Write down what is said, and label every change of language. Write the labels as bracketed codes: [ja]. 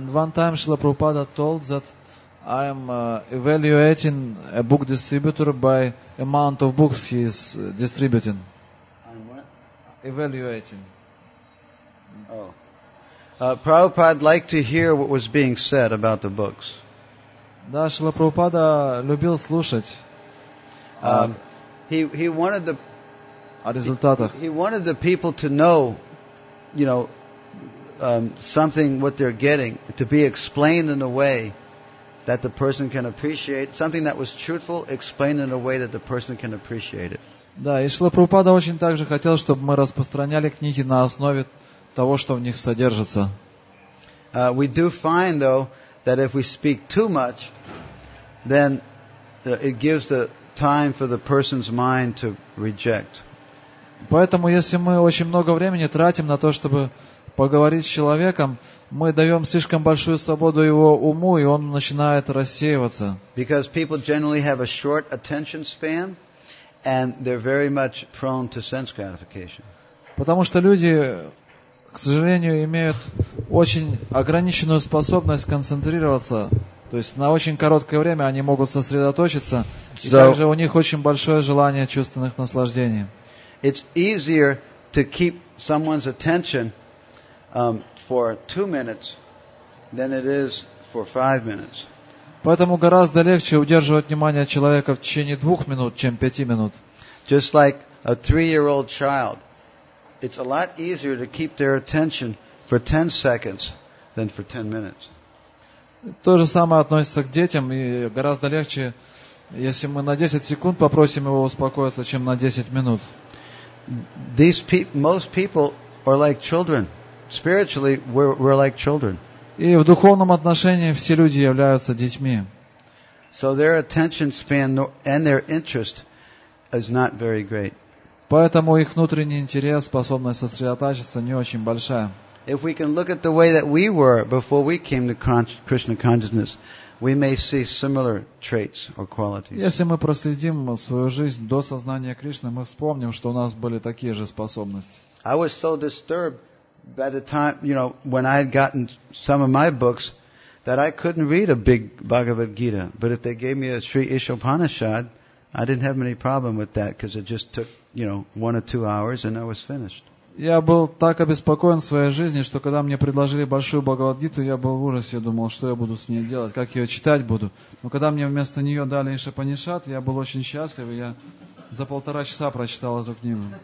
[en] And one time Srila Prabhupada told that I am evaluating a book distributor by amount of books he is distributing. I'm what? Evaluating. Oh. Prabhupada liked to hear what was being said about the books. [ru] Да, Шрила Прабхупада любил слушать. [en] He wanted the people to know, you know, something what they're getting, to be explained in a way that the person can appreciate, something that was truthful, explained in a way that the person can appreciate it. [ru] Да, и Шрила Прабхупада очень также хотел, чтобы мы распространяли книги на основе того, что в них содержится. [en] We do find, though, that if we speak too much, then it gives the time for the person's mind to reject. [ru] Поэтому, если мы очень много времени тратим на то, чтобы поговорить с человеком, мы даем слишком большую свободу его уму, и он начинает рассеиваться. [en] Because people generally have a short attention span, and they're very much prone to sense gratification. [ru] Потому что люди, к сожалению, имеют очень ограниченную способность концентрироваться. То есть на очень короткое время они могут сосредоточиться. И также у них очень большое желание чувственных наслаждений. [en] It's easier to keep someone's attention for 2 minutes than it is for 5 minutes. [ru] Поэтому гораздо легче удерживать внимание человека в течение 2 минут, чем 5 минут. [en] Just like a 3-year-old child. It's a lot easier to keep their attention for 10 seconds than for 10 minutes. [ru] То же самое относится к детям, и гораздо легче, если мы на 10 секунд попросим его успокоиться, чем на 10 минут. [en] Most people are like children. Spiritually, we're like children. [ru] И в духовном отношении все люди являются детьми. [en] So their attention span and their interest is not very great. [ru] Поэтому их внутренний интерес, способность сосредотачиваться не очень большая. [en] If we can look at the way that we were before we came to Krishna consciousness, we may see similar traits or qualities. [ru] Если мы проследим свою жизнь до сознания Кришны, мы вспомним, что у нас были такие же способности. [en] I was so disturbed by the time, you know, when I had gotten some of my books that I couldn't read a big Bhagavad Gita, but if they gave me a Sri Isha Upanishad, I didn't have any problem with that because it just took, you know, 1 or 2 hours and I was finished. [ru] Я был так обеспокоен своей жизнью, что когда мне предложили большую Бхагавад-гиту, я был в ужасе, я думал, что я буду с ней делать, как ее читать буду. Но когда мне вместо нее дали Иша Панишат, я был очень счастлив, и я за 1.5 часа прочитал эту книгу.